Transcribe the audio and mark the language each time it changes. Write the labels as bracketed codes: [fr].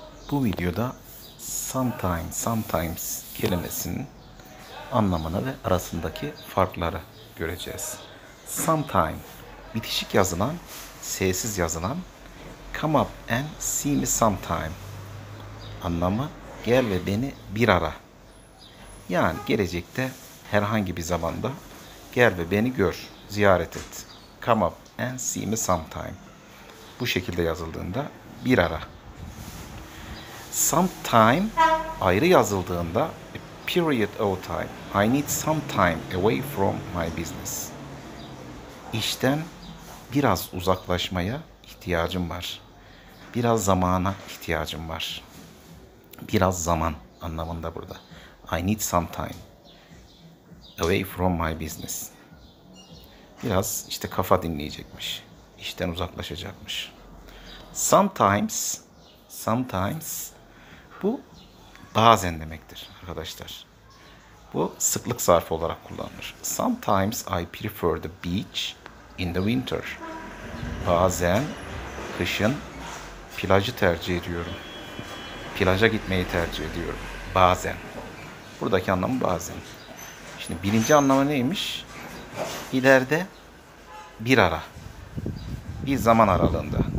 [tr] Bu videoda sometimes kelimesinin anlamını ve arasındaki farkları göreceğiz. Sometime, bitişik yazılan, sessiz yazılan. [en] Come up and see me sometime. [tr] Anlamı, gel ve beni bir ara. Yani gelecekte herhangi bir zamanda gel ve beni gör, ziyaret et. [en] Come up and see me sometime. [tr] Bu şekilde yazıldığında bir ara. Sometime ayrı yazıldığında [en] a period of time. I need some time away from my business. [tr] İşten biraz uzaklaşmaya ihtiyacım var. Biraz zamana ihtiyacım var. Biraz zaman anlamında burada. [en] I need some time away from my business. [tr] Biraz işte kafa dinleyecekmiş. İşten uzaklaşacakmış. Sometimes bu bazen demektir arkadaşlar. Bu sıklık zarfı olarak kullanılır. [en] Sometimes I prefer the beach in the winter. [tr] Bazen kışın plajı tercih ediyorum. Plaja gitmeyi tercih ediyorum. Bazen. Buradaki anlamı bazen. Şimdi birinci anlamı neymiş? İleride bir ara. Bir zaman aralığında.